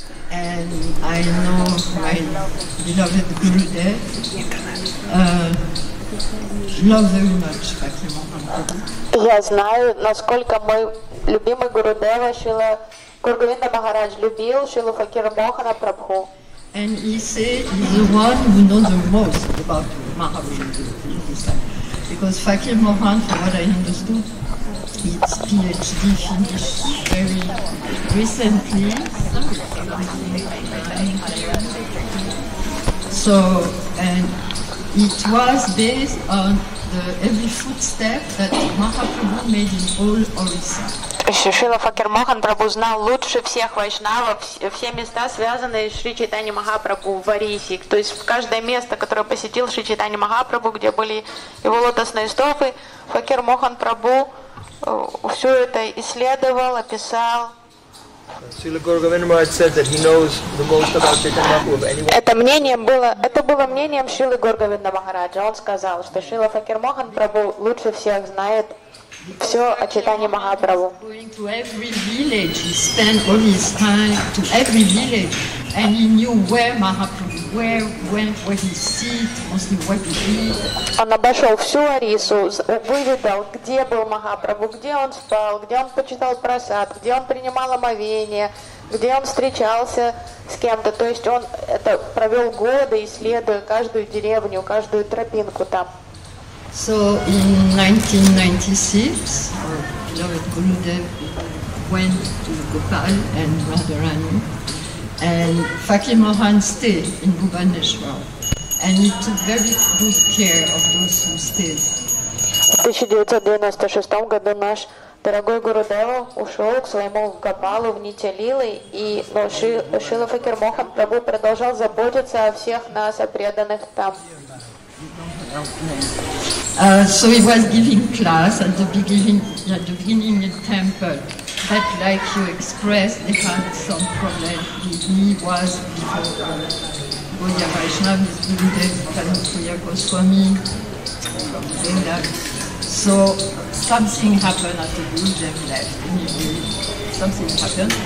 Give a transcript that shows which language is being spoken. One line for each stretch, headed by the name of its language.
English: And I know my beloved Gurudev. Love very much Факирмохана Прабху.
Russian: Я знаю, насколько мой любимый Гурудева Шрила Гургавинда Махарадж любил Шрилу Факирмохана Прабху.
English: And he said he's the one who knows the most about Mahavishnu. Because Fakir Mohan, from what I understood, his PhD finished very recently. So, and it was based on every footstep that Mahaprabhu made in all Orissa.
Russian: Шрила Факирмохан Прабху знал лучше всех вайшнавов все места, связанные с Шри Чайтани Махапрабху в Орисе. То есть в каждое место, которое посетил Шри Чайтани Махапрабху, где были его лотосные стопы, Факирмохан Прабху все это исследовал, описал. Это мнение было, это было мнением Шрилы Гургавинда Махараджа. Он сказал, что Шрила Факирмохан Прабху лучше всех знает все о Чайтани Махапрабху.
English: Going to every village, he spent all his time to every village, and he knew where Mahaprabhu, where when, where he sits, mostly where he eat.
Russian: Он обошел всю Орису, выведал, где был Махапрабху, где он спал, где он почитал прасад, где он принимал омовение, где он встречался с кем-то. То есть он это провел годы, исследуя каждую деревню, каждую тропинку там.
English: So in 1996, our beloved Gurudev went to Gopal and Radharani, and Fakir Mohan stayed in Bhubaneswar, and he took very good care of those who stayed.
Russian: В 1996 году наш Дорогой Гурудева ушел к своему Гопалу в Нитья Лилы, и Шрила Факир Мохан Прабху продолжал заботиться о всех нас, о преданных там.
English: So he was giving class at the beginning in the temple. But like you expressed, they had some problem. He was before Gaudiya Vaishnava, his Gurudev, Tanupriya Goswami, so something happened after Gurudev left. Something happened.